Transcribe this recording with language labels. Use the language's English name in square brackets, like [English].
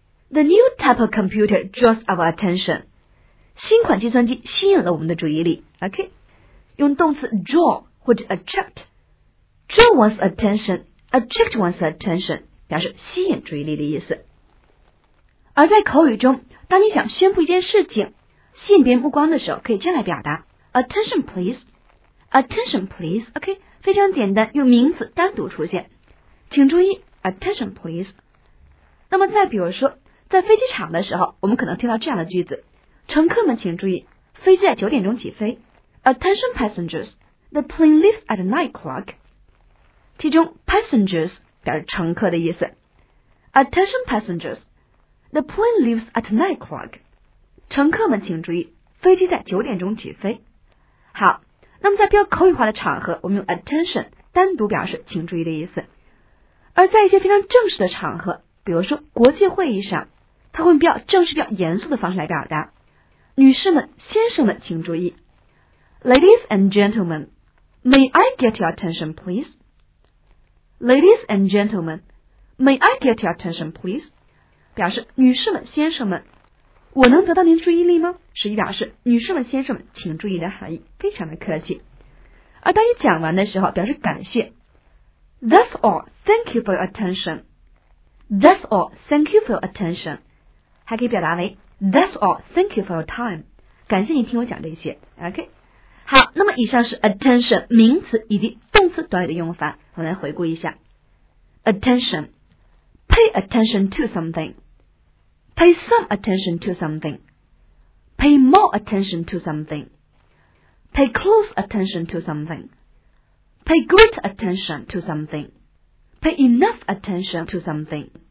[English] The new type of computer draws our attention. [Chinese] 新款计算机吸引了我们的注意力。 OK, 用动词 draw 或者 attract. [English] Draw one's attention, attract one's attention, [Chinese] 表示吸引注意力的意思。而在口语中，当你想宣布一件事情，吸引别人目光的时候，可以这样来表达 [English] Attention please, attention please. [Chinese] OK, 非常简单，用名词单独出现。请注意 [English] attention please。 [Chinese] 那么再比如说在飞机场的时候，我们可能听到这样的句子，乘客们请注意飞机在九点钟起飞。 [English] Attention passengers, the plane leaves at 9 o'clock. [Chinese] 其中 passengers 表示乘客的意思。 [English] Attention passengers, the plane leaves at 9 o'clock. [Chinese] 乘客们请注意飞机在九点钟起飞。好，那么在比较口语化的场合，我们用 attention 单独表示请注意的意思。而在一些非常正式的场合，比如说国际会议上，它会用比较正式、比较严肃的方式来表达。女士们、先生们，请注意 [English] ，Ladies and gentlemen, may I get your attention, please? Ladies and gentlemen, may I get your attention, please? [Chinese] 表示女士们、先生们，我能得到您注意力吗？实际表示女士们、先生们，请注意的含义，非常的客气。而当你讲完的时候，表示感谢。 [English] That's all. Thank you for your attention. That's all. Thank you for your attention. [Chinese] 还可以表达为 [English] That's all. Thank you for your time. [Chinese] 感谢你听我讲这些。 [English] OK. [Chinese] 好，那么以上是 attention 名词以及动词短语的用法。我们来回顾一下 [English] ：attention, pay attention to something, pay some attention to something, pay more attention to something, pay close attention to something. Pay great attention to something. Pay enough attention to something.